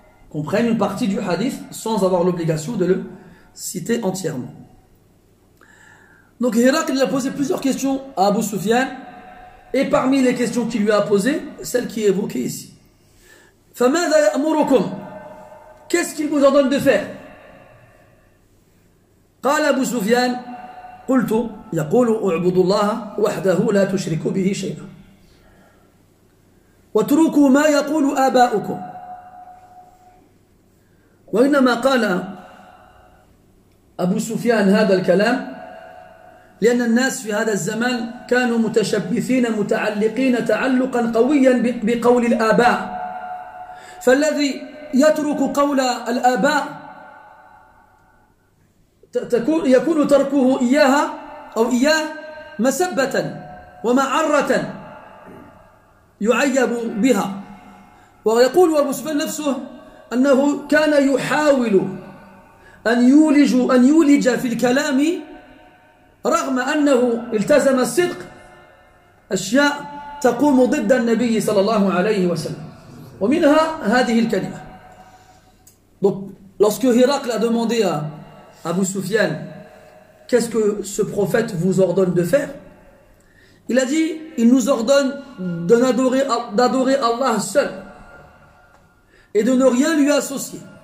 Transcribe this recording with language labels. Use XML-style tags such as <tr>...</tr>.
<fr>Qu'on prenne une partie du hadith sans avoir l'obligation de le citer entièrement. Donc Héraclès a posé plusieurs questions à Abu Soufiane, et parmi les questions qu'il lui a posées, celle qui est évoquée ici.</fr> <ar>فَمَاذَا يَأْمُرُكُمْ.</ar> <fr>Qu'est-ce qu'il vous ordonne de faire?</fr> <ar>قَالَ أَبُو سُفْيَانَ قُلْتُ يَقُولُ اُعْبُدُ اللَّهَ وَحْدَهُ لَا تُشْرِكُ بِهِ شَيْئًا وَتُرُكُوا مَا يَقُولُ آبَاؤُكُمْ وَإِنَّمَا قَالَ أَبُو سُفْيَانَ هَذَا الْكَلَامِ لأن الناس في هذا الزمان كانوا متشبثين متعلقين تعلقا قويا بقول الآباء فالذي يترك قول الآباء يكون تركه إياها أو إياه مسبة ومعرة يعيب بها. ويقول أبو سفيان نفسه أنه كان يحاول أن يولج في الكلام رغم أنه التزم الصدق أشياء تقوم ضد النبي صلى الله عليه وسلم ومنها هذه الكلمة.</ar> <fr>Donc, lorsque Héraclès a demandé à Abu Soufiane qu'est-ce que ce prophète vous ordonne de faire, il a dit, il nous ordonne d'adorer Allah seul et de ne rien lui associer.</fr>